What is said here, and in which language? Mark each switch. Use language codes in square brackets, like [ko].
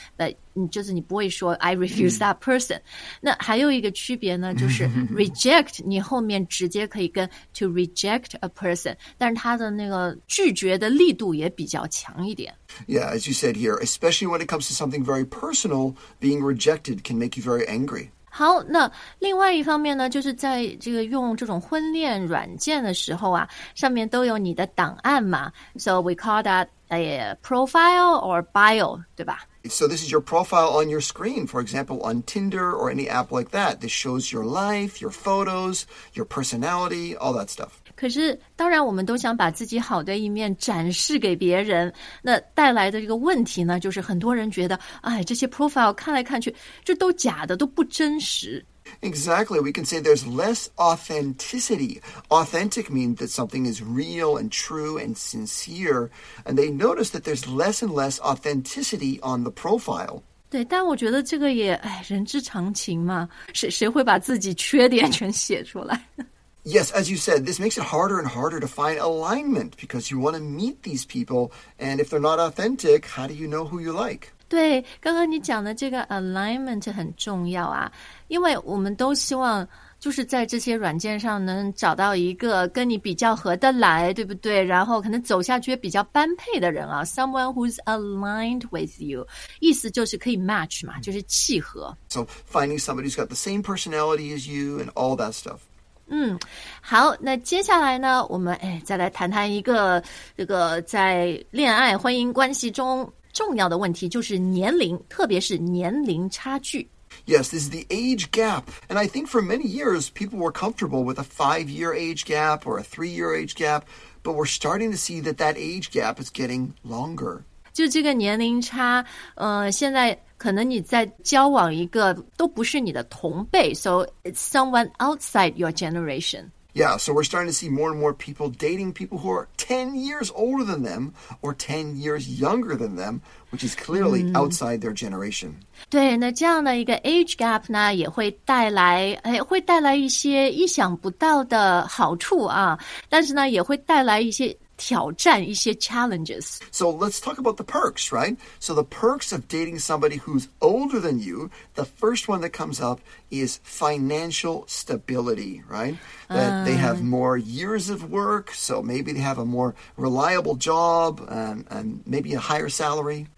[zh] But 就是你不会说 [en] I refuse that person. [zh] 那还有一个区别呢，就是 reject 你后面直接可以跟 [en] to reject a person， [zh] 但是他的那个拒绝的力度也比较强一点。 [en] Yeah, as you said here, especially when it comes to something very personal, being rejected can make you very angry. [zh] 好，那另外一方面呢，就是在这个用这种婚恋软件的时候啊，上面都有你的档案嘛。 [en] So we call that a profile or bio, [zh] 对吧？ [en] So this is your profile on your screen, for example, on Tinder or any app like that. This shows your life, your photos, your personality, all that stuff. [zh] 可是当然我们都想把自己好的一面展示给别人，那带来的这个问题呢，就是很多人觉得，哎，这些 profile 看来看去就都假的，都不真实。 [en] Exactly. We can say there's less authenticity. Authentic means that something is real and true and sincere. And they notice that there's less and less authenticity on the profile. [zh] 对，但我觉得这个也，哎，人之常情嘛，谁会把自己缺点全写出来？ [en] Yes, as you said, this makes it harder and harder to find alignment because you want to meet these people. And if they're not authentic, how do you know who you like? [zh] 对，刚刚你讲的这个 alignment 很重要啊，因为我们都希望就是在这些软件上能找到一个跟你比较合得来，对不对？然后可能走下去也比较般配的人啊， [en] someone who's aligned with you， [zh] 意思就是可以 match 嘛，就是契合。 [en] So finding somebody who's got the same personality as you and all that stuff. [zh] 嗯，好，那接下来呢，我们哎再来谈谈一个这个在恋爱婚姻关系中重要的问题，就是年龄，特别是年龄差距。 [en] Yes, this is the age gap. And I think for many years, people were comfortable with a 5-year age gap or a 3-year age gap, but we're starting to see that that age gap is getting longer. [zh] 就这个年龄差，现在可能你在交往一个都不是你的同辈 ， [en] so it's someone outside your generation. Yeah, so we're starting to see more and more people dating people who are 10 years older than them or 10 years younger than them, which is clearly outside their generation. [zh] 对，那这样的一个 age gap 呢，也会带来，哎，会带来一些意想不到的好处啊，但是呢，也会带来一些。挑战一些 challenges. [en] So let's talk about the perks, right? So the perks of dating somebody who's older than you, the first one that comes up is financial stability, right? That they have more years of work, so maybe they have a more reliable job and maybe a higher salary.